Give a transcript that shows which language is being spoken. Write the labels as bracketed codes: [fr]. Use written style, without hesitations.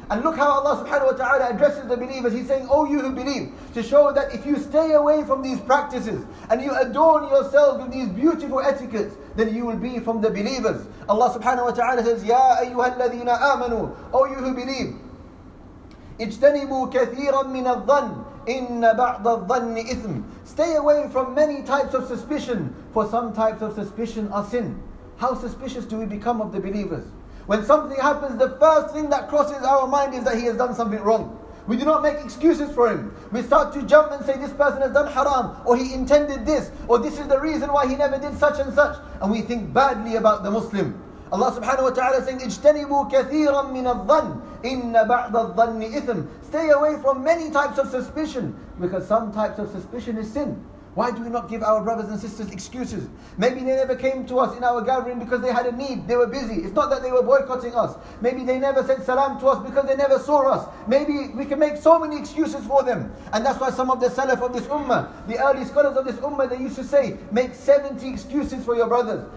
[en] And look how Allah subhanahu wa ta'ala addresses the believers. He's saying, O you who believe. To show that if you stay away from these practices and you adorn yourselves with these beautiful etiquettes, then you will be from the believers. Allah subhanahu wa ta'ala says, [ar] يَا أَيُّهَا الَّذِينَ آمَنُوا. [en] O you who believe. [ar] اجتنبوا كثيرا من الظن إن بعض الظن إثم. [en] Stay away from many types of suspicion, for some types of suspicion are sin. How suspicious do we become of the believers? When something happens, the first thing that crosses our mind is that he has done something wrong. We do not make excuses for him. We start to jump and say, this person has done haram, or he intended this, or this is the reason why he never did such and such. And we think badly about the Muslim. Allah subhanahu wa ta'ala saying, [ar] اجتنبوا كثيرا من الظن إن بعض الظن إثم. [en] Stay away from many types of suspicion, because some types of suspicion is sin. Why do we not give our brothers and sisters excuses? Maybe they never came to us in our gathering because they had a need, they were busy. It's not that they were boycotting us. Maybe they never said salam to us because they never saw us. Maybe we can make so many excuses for them. And that's why some of the salaf of this ummah, the early scholars of this ummah, they used to say, make 70 excuses for your brothers.